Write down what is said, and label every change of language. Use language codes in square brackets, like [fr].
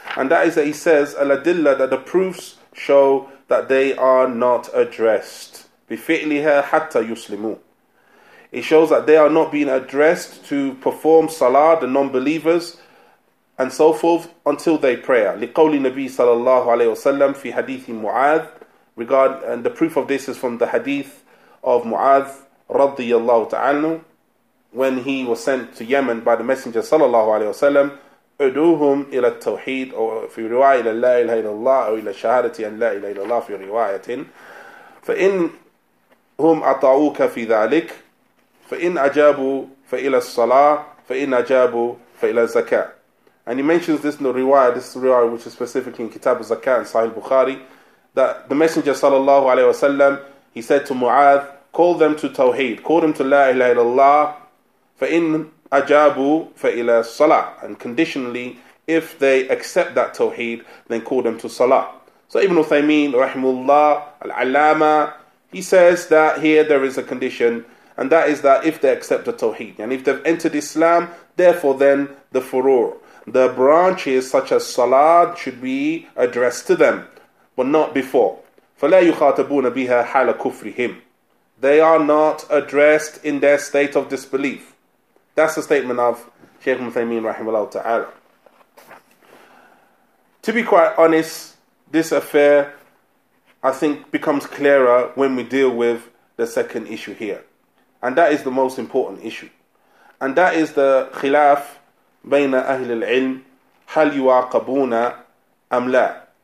[en] And that is that he says, "Aladilla," that the proofs show that they are not addressed [ar] bi fi'liha hatta yuslimu. [en] It shows that they are not being addressed to perform salah, the non-believers, and so forth, until they pray. [ar] لِقَوْلِ النَّبِيِّ صَلَى اللَّهُ عَلَيْهِ وَسَلَّمْ فِي حَدِيثِ مُعَاذِ. [en] And the proof of this is from the hadith of Mu'adh [ar] رَضِيَ اللَّهُ تَعَالَى, [en] when he was sent to Yemen by the Messenger [ar] صلى الله عليه وسلم, أُدُوهُمْ إِلَى التَّوْحِيدِ أو فِي رِوَاءِ إِلَى اللَّهِ إِلَى اللَّهِ أو إِلَى شَهَادَةِ أَنْ لَا إِلَى اللَّهِ فِي رِوَايَةٍ فَإِنْهُمْ أَطَعُوكَ فِي ذَلِكَ فَإِنْ أَجَابُوا فَإِلَى الصَّلَاةِ فَإِنْ أَجَابُوا فَإِلَى الزَّكَاةِ. [en] And he mentions this in the riwayah, which is specifically in Kitab al-Zakat and Sahih Bukhari, that the Messenger sallallahu alayhi wasallam, he said to Mu'adh, call them to Tawheed, call them to La ilaha illallah, [ar] fa'in ajabu fa'ila salah. [en] And conditionally, if they accept that Tawheed, then call them to salah. So Ibn Uthaymeen, rahimullah, al-Allama, he says that here there is a condition, and that is that if they accept the Tawheed, and if they've entered Islam, therefore then the furoor, the branches such as salat, should be addressed to them, but not before. [ar] فَلَا يُخَاتَبُونَ بِهَا حَالَ كُفْرِهِمْ. [en] They are not addressed in their state of disbelief. That's the statement of Shaykh Muthaymeen rahimahullah ta'ala. To be quite honest, this affair, I think, becomes clearer when we deal with the second issue here. And that is the most important issue. And that is the khilaf [ar] بين أهل العلم هل يعاقبون أم لا.